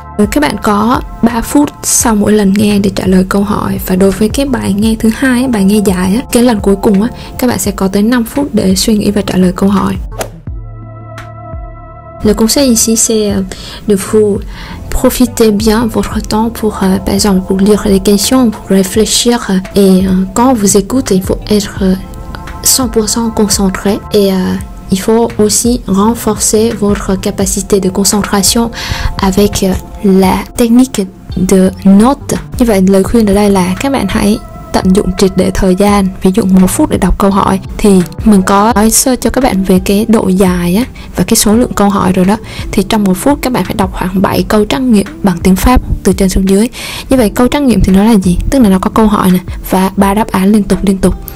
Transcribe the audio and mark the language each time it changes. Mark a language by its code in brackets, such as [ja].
[vi] Các bạn có 3 phút sau mỗi lần nghe để trả lời câu hỏi. Và đối với cái bài nghe thứ hai, bài nghe dài, cái lần cuối cùng các bạn sẽ có tới 5 phút để suy nghĩ và trả lời câu hỏi. [fr] Le conseil ici c'est de vous profiter bien votre temps pour par exemple pour lire les questions, pour réfléchir. Et quand vous écoutez, il faut être 100% concentré. Et il faut aussi renforcer votre capacité de concentration avec la technique de note. [vi] Như vậy lời khuyên ở đây là các bạn hãy tận dụng triệt để thời gian, ví dụ 1 phút để đọc câu hỏi. Thì mình có nói sơ cho các bạn về cái độ dài á, và cái số lượng câu hỏi rồi đó. Thì trong 1 phút các bạn phải đọc khoảng 7 câu trắc nghiệm bằng tiếng Pháp từ trên xuống dưới. Như vậy câu trắc nghiệm thì nó là gì? Tức là nó có câu hỏi nè và 3 đáp án liên tục.